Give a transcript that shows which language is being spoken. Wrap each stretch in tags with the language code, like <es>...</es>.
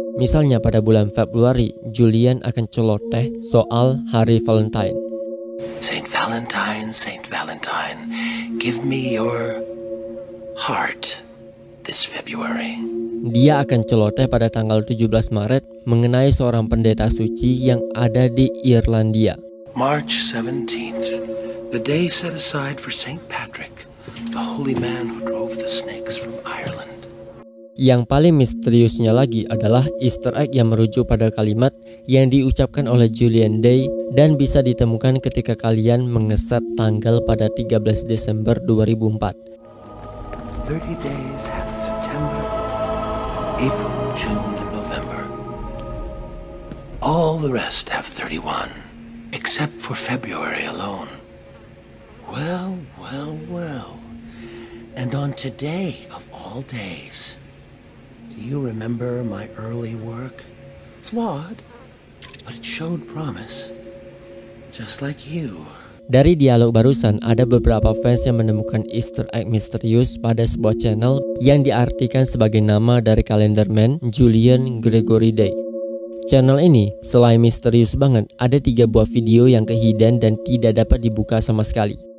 <id>Misalnya pada bulan Februari, Julian akan celoteh soal hari Valentine.</id> <en>Saint Valentine, Saint Valentine, give me your heart this February.</en> <id>Dia akan celoteh pada tanggal 17 Maret mengenai seorang pendeta suci yang ada di Irlandia.</id> <en>March 17th, the day set aside for Saint Patrick, the holy man who drove the snakes from Ireland.</en> <id>Yang paling misteriusnya lagi adalah easter egg yang merujuk pada kalimat yang diucapkan oleh Julian Day dan bisa ditemukan ketika kalian mengeset tanggal pada 13 Desember 2004.</id> <en>30 days after September, April, June, November. All the rest have 31, except for February alone. Well, well, well. And on today of all days, do you remember my early work? Flawed, but it showed promise. Just like you.</en> <id>Dari dialog barusan, ada beberapa fans yang menemukan easter egg misterius pada sebuah channel yang diartikan sebagai nama dari Calendar Man, Julian Gregory Day. Channel ini, selain misterius banget, ada 3 buah video yang kehidupan dan tidak dapat dibuka sama sekali.</id>